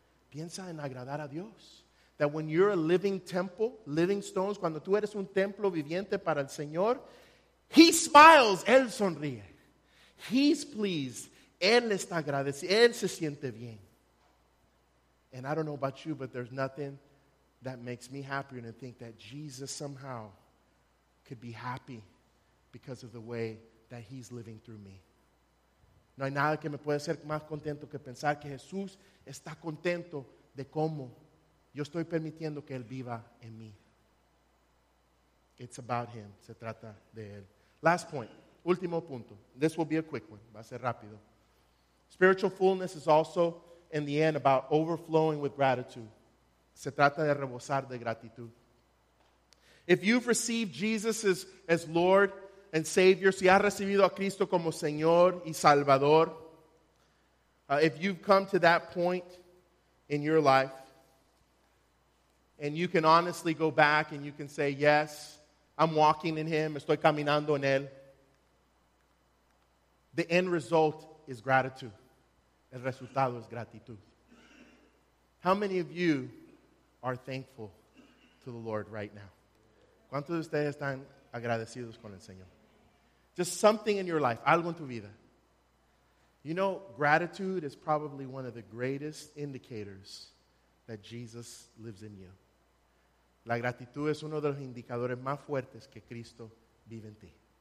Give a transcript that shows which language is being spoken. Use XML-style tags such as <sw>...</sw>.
<es>Piensa en agradar a Dios.</es> <en>That when you're a living temple, living stones,</en> <es>cuando tú eres un templo viviente para el Señor,</es> <en>He smiles,</en> <es>Él sonríe.</es> <en>He's pleased.</en> <es>Él está agradecido. Él se siente bien.</es> <en>And I don't know about you, but there's nothing that makes me happier than to think that Jesus somehow could be happy because of the way that He's living through me.</en> <es>No hay nada que me pueda hacer más contento que pensar que Jesús está contento de cómo yo estoy permitiendo que Él viva en mí.</es> <en>It's about Him.</en> <es>Se trata de Él.</es> <en>Last point.</en> <es>Último punto.</es> <en>This will be a quick one.</en> <es>Va a ser rápido.</es> <en>Spiritual fullness is also, in the end, about overflowing with gratitude.</en> <es>Se trata de rebosar de gratitud.</es> <en>If you've received Jesus as Lord and Savior,</en> <es>si has recibido a Cristo como Señor y Salvador,</es> <en>if you've come to that point in your life, and you can honestly go back and you can say, yes, I'm walking in Him,</en> <es>estoy caminando en Él,</es> <en>the end result is gratitude.</en> <es>El resultado es gratitud.</es> <en>How many of you are thankful to the Lord right now?</en> <es>¿Cuántos de ustedes están agradecidos con el Señor?</es> <en>Just something in your life,</en> <es>algo en tu vida.</es> <en>You know, gratitude is probably one of the greatest indicators that Jesus lives in you.</en> <es>La gratitud es uno de los indicadores más fuertes que Cristo vive en ti.</es>